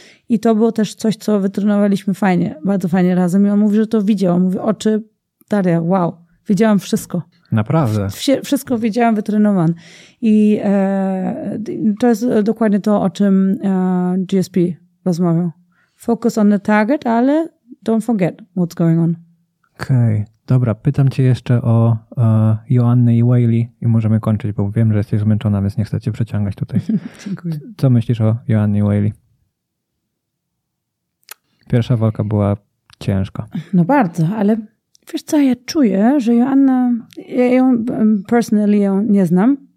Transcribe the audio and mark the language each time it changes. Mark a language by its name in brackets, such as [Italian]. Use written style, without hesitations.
[Polish] I to było też coś, co wytrenowaliśmy fajnie, bardzo fajnie razem. I on mówi, że to widział. Mówi, oczy, Daria, wow, widziałam wszystko. Naprawdę. Wszystko widziałam wytrenowane. I to jest dokładnie to, o czym GSP rozmawiał. [English] Focus on the target, ale don't forget what's going on. [Polish] Okej. Dobra, pytam cię jeszcze o Joannę i Whaley i możemy kończyć, bo wiem, że jesteś zmęczona, więc nie chcę cię przeciągać tutaj. Dziękuję. Co myślisz o Joannie i Whaley? Pierwsza walka była ciężka. No bardzo, ale... Wiesz co, ja czuję, że Joanna, ja ją personally ją nie znam.